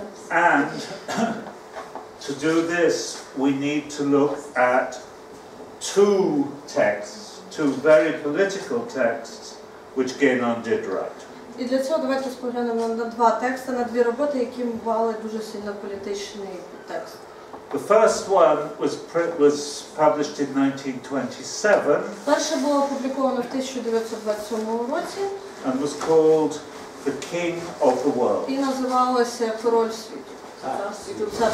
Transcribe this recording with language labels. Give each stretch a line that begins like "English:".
English: And to do this, we need to look at two texts, two very political texts, which Genon did write.
Ukrainian: І для цього давайте споглянемо на два тексти, на дві роботи, які мали дуже сильно політичний текст.
English: The first one was published in 1927.
Ukrainian: Перше було опубліковано в 1927 році.
English: And was called The King of the World.
Ukrainian: І називалося Король світу.